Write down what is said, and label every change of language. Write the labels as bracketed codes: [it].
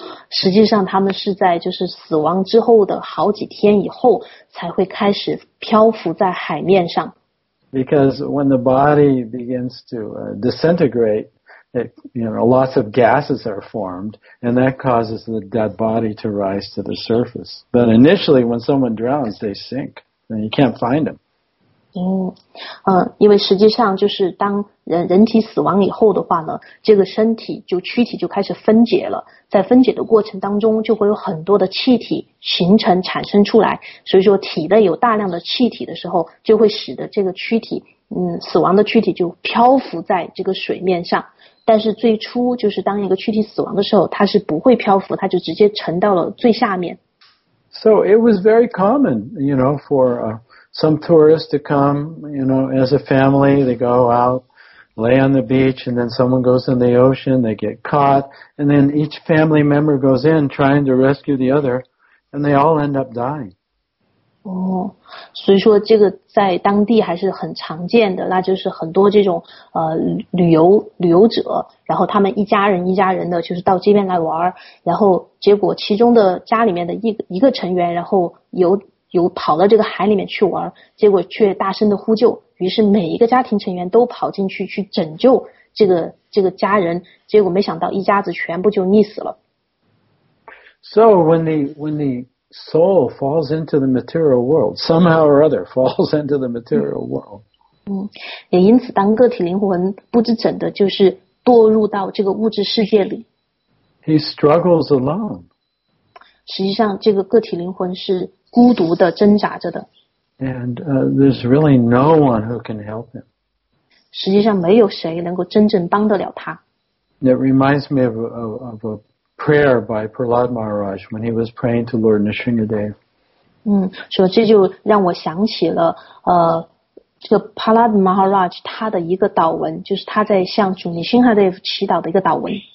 [zh] 实际上他们是在就是死亡之后的好几天以后才会开始漂浮在海面上。 [en] Because when the body begins to disintegrate, lots of gases are formed, and that causes the dead body to rise to the surface. But initially, when someone drowns, they sink, and you can't find them. [zh] 因为实际上就是当人体死亡以后的话呢，这个身体就躯体就开始分解了，在分解的过程当中，就会有很多的气体形成产生出来，所以说体内有大量的气体的时候，就会使得这个躯体，死亡的躯体就漂浮在这个水面上。但是最初就是当一个躯体死亡的时候，它是不会漂浮，它就直接沉到了最下面。 [en] So it was very common, for some tourists to come, as a family, they go out, lay on the beach, and then someone goes in the ocean, they get caught, and then each family member goes in trying to rescue the other, and they all end up dying. [zh] 所以说这个在当地还是很常见的，那就是很多这种旅游者，然后他们一家人的就是到这边来玩，然后结果其中的家里面的一个成员，然后有跑到这个海里面去玩，结果却大声的呼救，于是每一个家庭成员都跑进去拯救这个家人，结果没想到一家子全部就溺死了。 [en] So when the soul falls into the material world, somehow or other falls into the material world. [zh] 也因此，当个体灵魂不知怎的，就是堕入到这个物质世界里。 [en] He struggles alone. [zh] 实际上，这个个体灵魂是孤独的挣扎着的。 [en] And there's really no one who can help him. [zh] 实际上，没有谁能够真正帮得了他。 [en] It reminds me of a prayer by Prahlad Maharaj when he was praying to Lord Nrisimhadeva. [zh] 所以这就让我想起了这个 Prahlad Maharaj 他的一个祷文，就是他在向主 Nrisimhadeva 祈祷的一个祷文。